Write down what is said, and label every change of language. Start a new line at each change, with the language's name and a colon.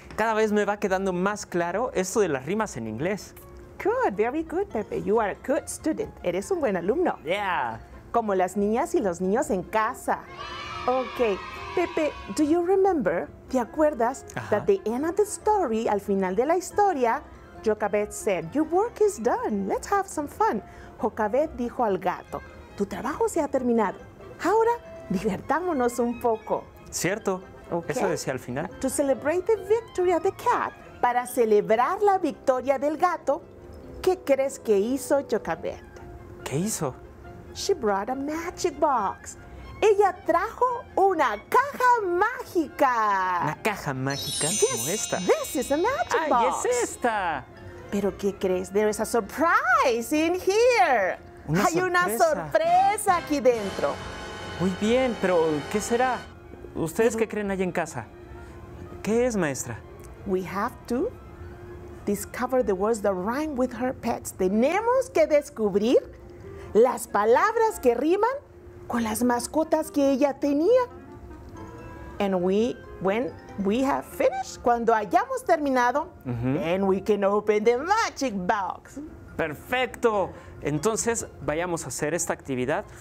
Spanish: Cada vez me va quedando más claro esto de las rimas en inglés.
English: Good, very good, Pepe. You are a good student.
Spanish: Eres un buen alumno.
English: Yeah.
Spanish: Como las niñas y los niños en casa.
English: Okay, Pepe, do you remember?
Spanish: ¿Te acuerdas? Ajá.
English: That the end of the story,
Spanish: al final de la historia,
English: Jochebed said, "Your work is done. Let's have some fun."
Spanish: Jochebed dijo al gato, "Tu trabajo se ha terminado. Ahora, divertámonos un poco." Cierto. Okay. Eso decía al final.
English: To celebrate the victory of the cat,
Spanish: para celebrar la victoria del gato, ¿qué crees que hizo Jochebed? ¿Qué hizo?
English: She brought a magic box.
Spanish: Ella trajo una caja mágica. ¿Una caja mágica?
English: Yes,
Spanish: como esta.
English: This is a magic box.
Spanish: ¡Ay, es esta! ¿Pero qué crees?
English: There is a surprise in here.
Spanish: Una Hay sorpresa. Una sorpresa aquí dentro. Muy bien, pero ¿qué será? ¿Ustedes qué creen ahí en casa? ¿Qué es, maestra?
English: We have to discover the words that rhyme with her pets.
Spanish: Tenemos que descubrir las palabras que riman con las mascotas que ella tenía.
English: And when we have finished,
Spanish: cuando hayamos terminado,
English: then we can open the magic box.
Spanish: ¡Perfecto! Entonces, vayamos a hacer esta actividad.